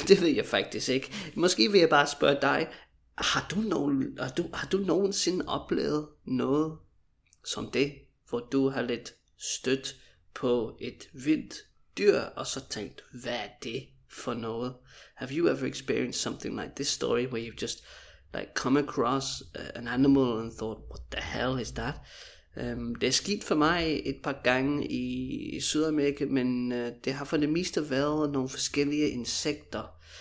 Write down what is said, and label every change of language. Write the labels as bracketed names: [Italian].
[Danish] Det ved jeg faktisk ikke. Måske vil jeg bare spørge dig, har du nogensinde oplevet noget som det, hvor du har lidt stødt på et vildt dyr, og så tænkt, hvad er det for noget? [English] Have you ever experienced something like this story, where you've just like come across an animal and thought, what the hell is that? [Danish] Det er sket for mig et par gange i Sydamerika, men det har for det meste været nogle forskellige insekter.